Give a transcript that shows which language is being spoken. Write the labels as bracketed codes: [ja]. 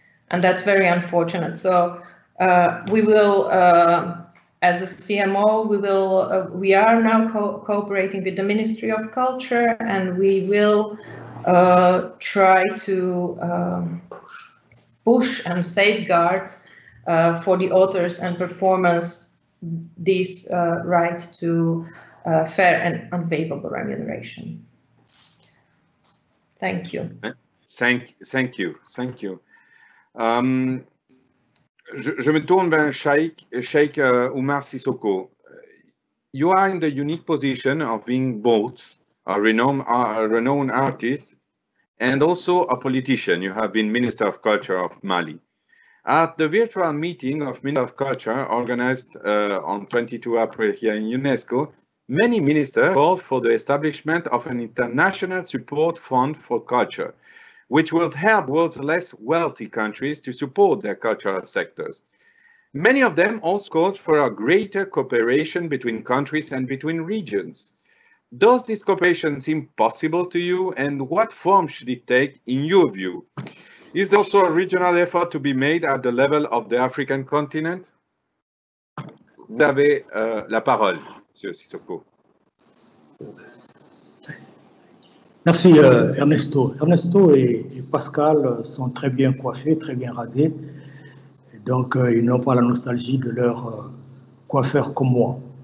[en] And that's very unfortunate. So we will, as a CMO, we are now cooperating with the Ministry of Culture, and we will try to push and safeguard for the authors and performers this right to fair and unwaivable remuneration. Thank you. Thank you. [fr] Je me tourne vers Cheick Oumar SISSOKO. [en] You are in the unique position of being both a renowned artist and also a politician. You have been Minister of Culture of Mali. At the virtual meeting of Minister of Culture organized on 22 April here in UNESCO, many ministers called for the establishment of an international support fund for culture, which will help world's less wealthy countries to support their cultural sectors. Many of them also called for a greater cooperation between countries and between regions. Does this cooperation seem possible to you, and what form should it take in your view? Is there also a regional effort to be made at the level of the African continent? [fr] Vous avez la parole, Monsieur Sissoko. Merci Ernesto. Ernesto et Pascal sont très bien coiffés, très bien rasés. Donc ils n'ont pas la nostalgie de leur coiffeur comme moi.